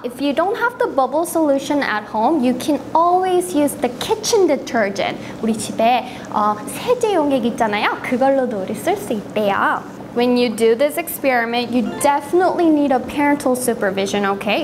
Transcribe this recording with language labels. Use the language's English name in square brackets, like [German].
[English] If you don't have the bubble solution at home, you can always use the kitchen detergent. [Korean] 우리 집에 세제 용액 있잖아요. 그걸로도 우리 쓸 수 있대요. [English] When you do this experiment, you definitely need a parental supervision, okay?